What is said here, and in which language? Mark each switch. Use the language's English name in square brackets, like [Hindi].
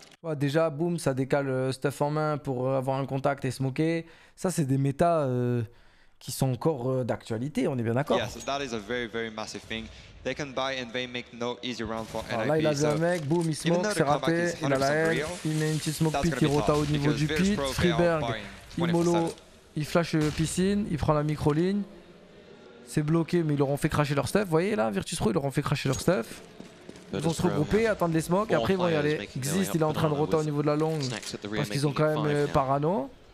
[French] Ouais, déjà, boum, ça décale stuff en main pour avoir un contact et smoker. Ça, c'est des méta. Qui sont encore d'actualité, on est bien d'accord. [English] Yes, that is a very, very massive thing. They can buy and they make no easy round for NIP. [French] Alors là, il a vu un mec, boum, il smoke, c'est raté, il a la L, il met une petite smoke pit, il rota au niveau du pit, Freeberg, il mollo, il flash piscine, il prend la microligne, c'est bloqué, mais ils leur ont fait crasher leur stuff. Vous voyez là, Virtus Pro, ils leur ont fait crasher leur stuff. Ils vont se regrouper, attendre les smokes, après ils vont y aller. Xist, il est en train de rota au niveau de la longue, parce qu'ils ont quand même parano.